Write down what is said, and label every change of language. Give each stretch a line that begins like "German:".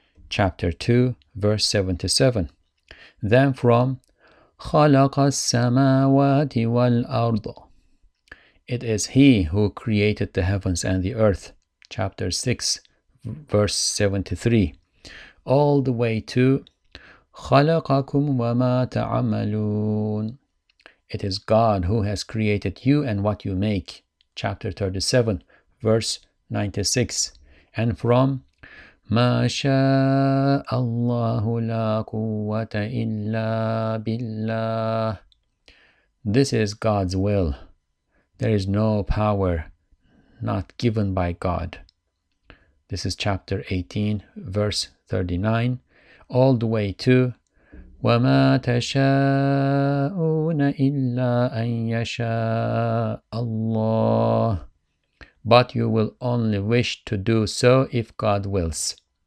English: Chapter 2, verse 77. Then from
Arabic: خَلَقَ السَّمَاوَاتِ وَالْأَرْضُ
English: It is He who created the heavens and the earth. Chapter 6, verse 73. All the way to
Arabic: خَلَقَكُمْ وَمَا تَعَمَلُونَ
English: It is God who has created you and what you make. Chapter 37, verse 96. And from
Arabic: مَا شَاءَ اللَّهُ لَا قُوَّةَ إِلَّا بِاللَّهِ
English: This is God's will. There is no power not given by God. This is chapter 18, verse 39, all the way to
Arabic: وَمَا تَشَاءُونَ إِلَّا أَنْ يَشَاءَ اللَّهِ
English: But you will only wish to do so if God wills.